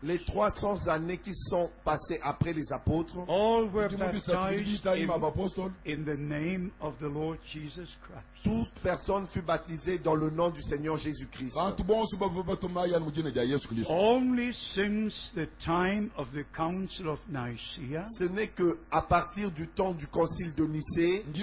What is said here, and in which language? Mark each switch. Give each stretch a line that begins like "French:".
French: Les 300 années qui sont passées après les apôtres.
English: All were baptized in the name of the Lord Jesus Christ.
French: Toute personne fut baptisée dans le nom du Seigneur Jésus Christ.
English: Only since the time of the Council of Nicaea.
French: Ce n'est que à partir du temps du Concile de Nicée.